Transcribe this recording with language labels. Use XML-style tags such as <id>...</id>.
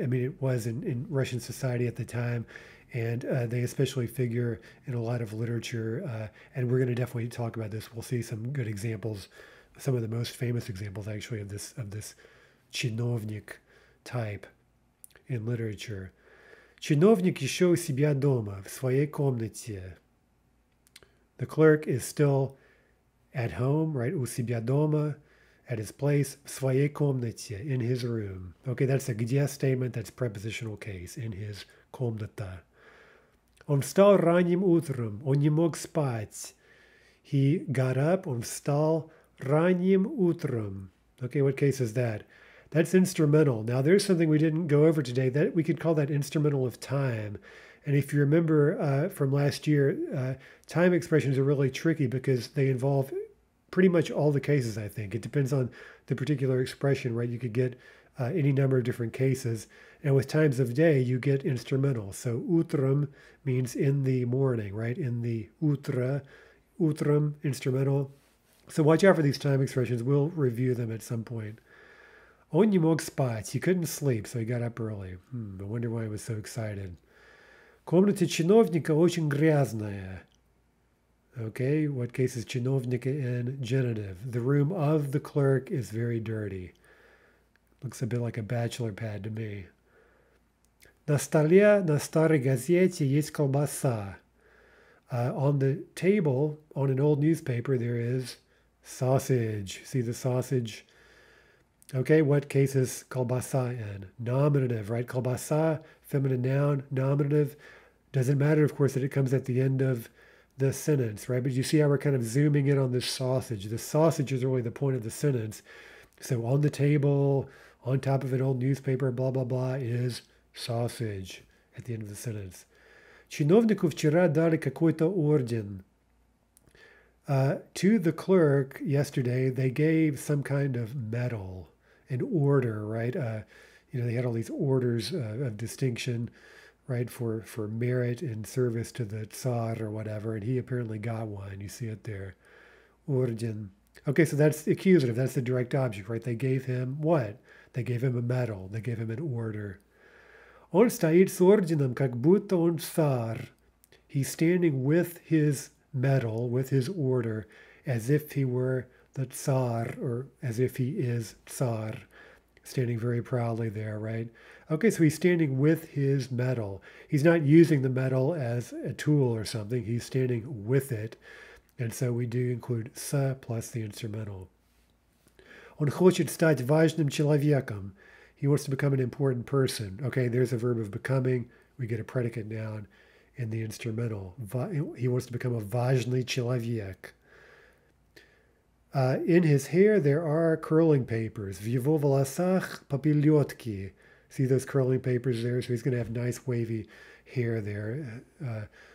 <en>I mean, it was in Russian society at the time, and they especially figure in a lot of literature, and we're going to definitely talk about this. We'll see some good examples, some of the most famous examples, actually, of this чиновник type in literature.</en> <ru>Чиновник еще у себя дома, в своей комнате.</ru> <en>The clerk is still at home, right?</en> <ru>У себя дома,</ru> <en>at his place,</en> <ru>в своей комнате,</ru> <en>in his room. Okay, that's a где statement, that's prepositional case, in his комната.</en> <ru>Он встал ранним утром, он не мог спать.</ru> <en>He got up, он встал ранним утром. Okay, what case is that? That's instrumental. Now, there's something we didn't go over today that we could call that instrumental of time. And if you remember from last year, time expressions are really tricky because they involve pretty much all the cases, I think. It depends on the particular expression, right? You could get any number of different cases. And with times of day, you get instrumental. So utrum means in the morning, right? In the utra, utrum, instrumental. So watch out for these time expressions. We'll review them at some point.</en> <ru>On не мог спать.</ru> <en>He couldn't sleep, so he got up early. I wonder why he was so excited.</en> <ru>Комната чиновника очень грязная.</ru> <en>Okay, what case is чиновника in genitive? The room of the clerk is very dirty. Looks a bit like a bachelor pad to me.</en> <ru>На столе, на старой газете есть колбаса.</ru> <en>On the table, on an old newspaper, there is sausage. See the sausage? Okay, what case is колбаса in? Nominative, right? Колбаса, feminine noun, nominative. Doesn't matter, of course, that it comes at the end of the sentence, right? But you see how we're kind of zooming in on this sausage. The sausage is really the point of the sentence. So on the table, on top of an old newspaper, blah, blah, blah, is sausage at the end of the sentence.</en> <ru>Чиновнику вчера дали какой-то орден.</ru> <en>To the clerk yesterday, they gave some kind of medal, an order, right? You know, they had all these orders of distinction, right, for merit and service to the Tsar or whatever, and he apparently got one. You see it there. Orden. Okay, so that's the accusative. That's the direct object, right? They gave him what? They gave him a medal. They gave him an order.</en> <ru>Он стоит с орденом, как будто он Цар.</ru> <en>He's standing with his medal, with his order, as if he were the Tsar, or as if he is Tsar, standing very proudly there, right? Okay, so he's standing with his medal. He's not using the medal as a tool or something. He's standing with it. And so we do include с plus the instrumental.</en> <ru>Он хочет стать важным человеком.</ru> <en>He wants to become an important person. Okay, there's a verb of becoming. We get a predicate noun in the instrumental. He wants to become a</en> <ru>важный человек.</ru> <en>In his hair, there are curling papers.</en> <ru>В его волосах папильотки.</ru> <en>See those curling papers there? So he's going to have nice wavy hair there.</en>